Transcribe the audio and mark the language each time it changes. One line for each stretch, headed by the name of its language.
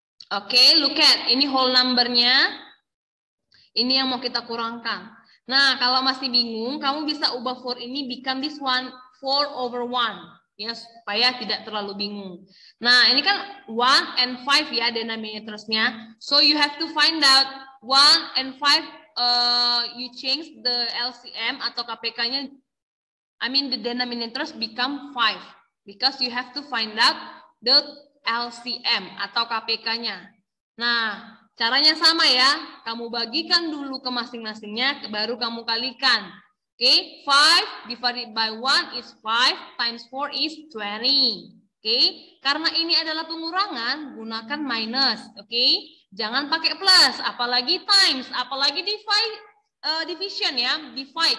English: Oke, okay, look at,
Indonesian: ini
English: whole number-nya.
Indonesian: Ini yang mau kita kurangkan. Nah, kalau masih bingung, kamu bisa ubah 4 ini
English: become this one, 4 over 1.
Indonesian: Ya, supaya tidak terlalu bingung. Nah, ini kan
English: 1 and 5
Indonesian: ya denominatorsnya.
English: So you have to find out 1 and 5 you change the LCM
Indonesian: atau KPK-nya,
English: I mean the denominators become 5 because you have to find out the LCM atau KPK-nya.
Indonesian: Nah, caranya sama ya. Kamu bagikan dulu ke masing-masingnya baru kamu kalikan.
English: Oke, okay, 5 divided by 1 is 5 times 4 is 20.
Indonesian: Oke, okay, karena ini adalah pengurangan, gunakan minus, oke? Okay? Jangan pakai plus, apalagi times, apalagi divide division ya, divide.